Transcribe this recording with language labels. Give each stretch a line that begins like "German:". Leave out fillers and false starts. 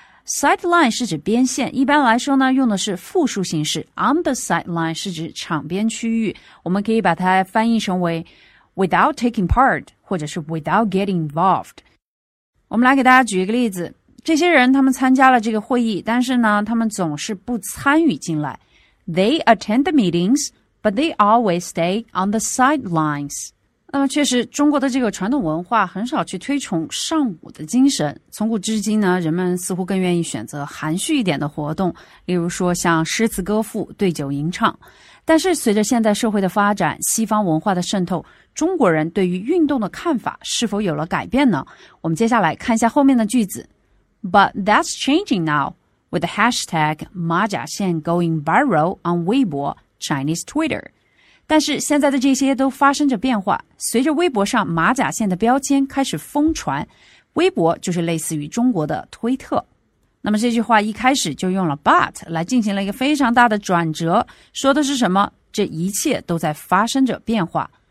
Chinese: sideline 是指边线，一般来说呢用的是复数形式，
English: on the sideline
Chinese: 是指场边区域，我们可以把它翻译成为
English: without taking part
Chinese: 或者是
English: without getting involved。
Chinese: 我们来给大家举一个例子，这些人他们参加了这个会议，但是呢他们总是不参与进来。
English: They attend the meetings, but they always stay on the sidelines.
Chinese: 那么确实中国的这个传统文化很少去推崇尚武的精神。从古至今呢，人们似乎更愿意选择含蓄一点的活动，例如说像诗词歌赋、对酒吟唱。但是随着现在社会的发展，西方文化的渗透，中国人对于运动的看法是否有了改变呢？我们接下来看一下后面的句子。
English: But that's changing now, with the hashtag 马甲线 going viral on Weibo, Chinese Twitter.
Chinese: 但是现在的这些都发生着变化，随着微博上马甲线的标签开始疯传，微博就是类似于中国的推特。那么这句话一开始就用了 but 来进行了一个非常大的转折，说的是什么？这一切都在发生着变化。